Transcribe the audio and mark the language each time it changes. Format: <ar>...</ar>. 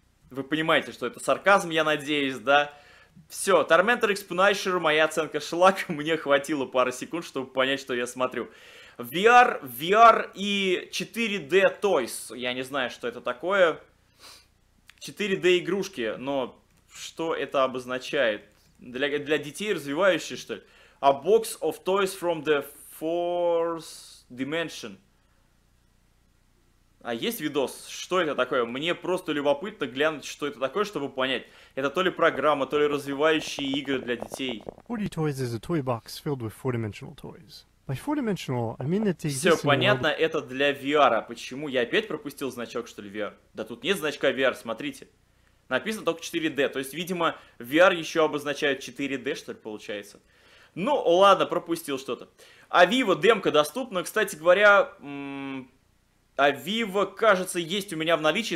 <ru>Вы понимаете, что это сарказм, я надеюсь, да? Все, Tormentor Expunisher, моя оценка шлак, мне хватило пары секунд, чтобы понять, что я смотрю. VR и 4D Toys, я не знаю, что это такое. 4D-игрушки, но что это обозначает? Для детей развивающих, что ли?</ru> <en>A box of toys from the fourth dimension.</en> <ru>А есть видос? Что это такое? Мне просто любопытно глянуть, что это такое, чтобы понять. Это то ли программа, то ли развивающие игры для детей.</ru> <en>4D toys is a toy box filled with four-dimensional toys. By four-dimensional, I mean that they exist in the...</en> <ru>Все понятно, это для VR. Почему? Я опять пропустил значок, что ли, VR? Да тут нет значка VR, смотрите. Написано только 4D. То есть, видимо, VR еще обозначает 4D, что ли, получается. Ну, ладно, пропустил что-то. А Vivo демка доступна. Кстати говоря, а Vivo, кажется, есть у меня в наличии.</ru>